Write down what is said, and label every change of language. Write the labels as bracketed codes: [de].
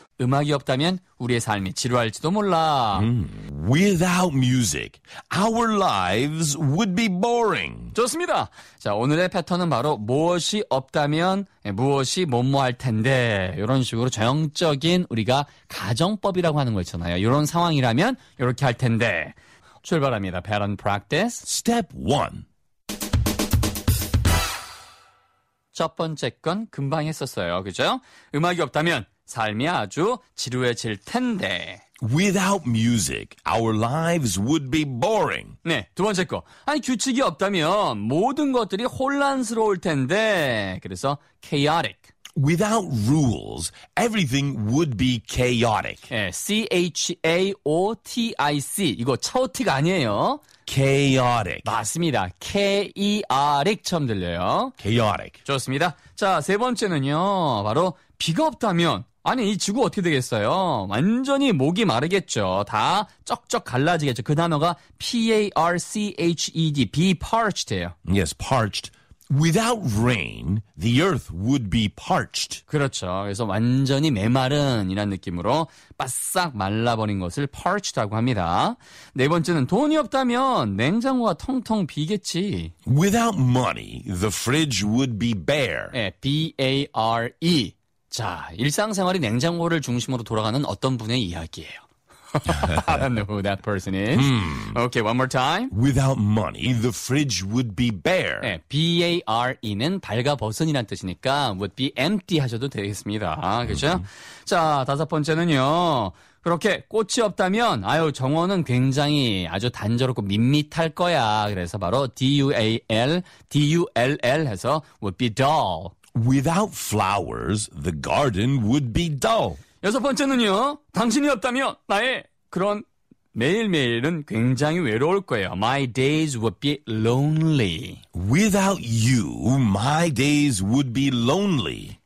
[ko] 음악이 없다면 우리의 삶이 지루할지도 몰라. [en] Without music, our lives would be boring. [ko] 좋습니다. 자, 오늘의 패턴은 바로 무엇이 없다면 무엇이 뭐뭐 할 텐데. 이런 식으로 정형적인 우리가 가정법이라고 하는 거 있잖아요. 이런 상황이라면 이렇게 할 텐데. 출발합니다. [en] Pattern practice. Step 1. [ko] 첫 번째 건 금방 했었어요. 그죠? 음악이 없다면 삶이 아주 지루해질 텐데. [en] Without music, our lives would be boring. [ko] 네, 두 번째 거. 아니, 규칙이 없다면 모든 것들이 혼란스러울 텐데. 그래서 chaotic. [en] Without rules, everything would be chaotic. [ko] 네, chaotic. 이거 chaotic 아니에요. [en] Chaotic. [ko] 맞습니다. K-E-R-I-C 처음 들려요. [en] Chaotic. [ko] 좋습니다. 자, 세 번째는요. 바로 비가 없다면 아니 이 지구 어떻게 되겠어요? 완전히 목이 마르겠죠. 다 쩍쩍 갈라지겠죠. 그 단어가 P-A-R-C-H-E-D, be parched예요. [en] Yes, parched. Without rain, the earth would be parched. [ko] 그렇죠. 그래서 완전히 메마른 이란 느낌으로 바싹 말라버린 것을 parched라고 합니다. 네 번째는 돈이 없다면 냉장고가 텅텅 비겠지. [en] Without money, the fridge would be bare. [ko] 네, B-A-R-E. 자, 일상생활이 냉장고를 중심으로 돌아가는 어떤 분의 이야기예요. [en] I don't know who that person is. Okay, one more time. Without money, the fridge would be bare. [ko] 네, B-A-R-E는 발가벗은이란 뜻이니까 [en] would be empty [ko] 하셔도 되겠습니다. 그렇죠? 자, 다섯 번째는요. 그렇게 꽃이 없다면 아유 정원은 굉장히 아주 단조롭고 밋밋할 거야. 그래서 바로 D-U-A-L, D-U-L-L 해서 [en] would be dull. Without flowers, the garden would be dull. [ko] 여섯 번째는요. 당신이 없다면 나의 그런 매일매일은 굉장히 외로울 거예요. [en] My days would be lonely. Without you, my days would be lonely.